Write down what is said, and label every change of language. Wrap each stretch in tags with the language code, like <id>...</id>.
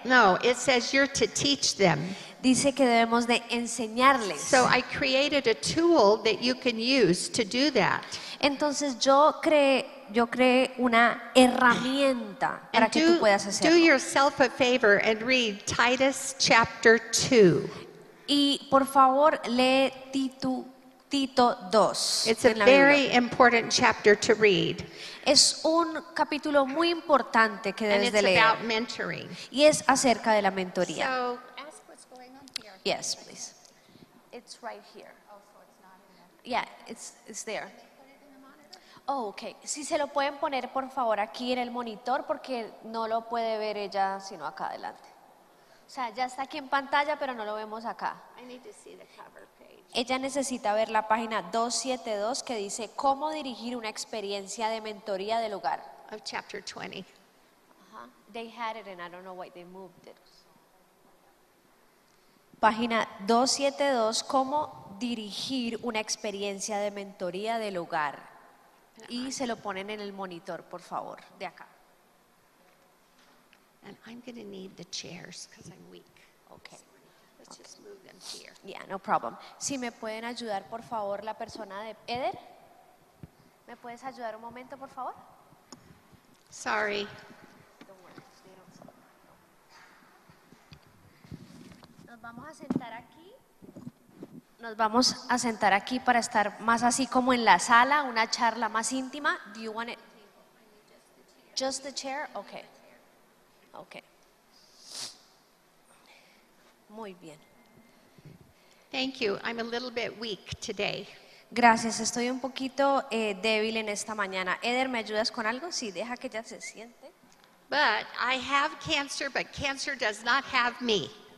<en>No, it says you're to teach them.</en> <es>Dice que debemos de enseñarles.</es> <en>So I created a tool that you can use to do that.</en> <es>Entonces yo creé una herramienta para que tú puedas hacerlo.</es> <en>Do yourself a favor and read Titus chapter 2.</en> <es>Y por favor, lee Tito 2.</es> <en>It's a very important chapter to read.</en> <es>Es un capítulo muy importante que debes de leer.</es> <en>And it's about mentoring.</en> <es>Y es acerca de la mentoría.</es> <en>So, ask what's going on here. Yes, please. It's right here. Oh, so it's not in there. Yeah, it's there. Oh, okay.</en> <es>Si se lo pueden poner, por favor, aquí en el monitor, porque no lo puede ver ella sino acá adelante. O sea, ya está aquí en pantalla, pero no lo vemos acá.</es> <en>I need to see the cover page.</en> <es>Ella necesita ver la página 272 que dice cómo dirigir una experiencia de mentoría del hogar.</es> <en>Of chapter 20. Uh-huh. They had it and I don't know why they moved it.</en> <es>Página 272, cómo dirigir una experiencia de mentoría del hogar. Y se lo ponen en el monitor, por favor, de acá.</es> <en>And I'm going to need the chairs because I'm weak. Okay. Let's just move them here. Yeah, no problem.</en> <es>Si me pueden ayudar, por favor, la persona de Eder. ¿Me puedes ayudar un momento, por favor? Sorry. Nos vamos a sentar aquí. Nos vamos a sentar aquí para estar más así como en la sala, una charla más íntima.</es> <en>Do you want it? Just the chair? Okay. Okay.</en> <es>Muy bien.</es> <en>Thank you. I'm a little bit weak today.</en> <es>Gracias, estoy un poquito débil en esta mañana. Eder, ¿me ayudas con algo? Sí, deja que ella se siente.</es> <en>But I have cancer, but cancer does not have me.</en>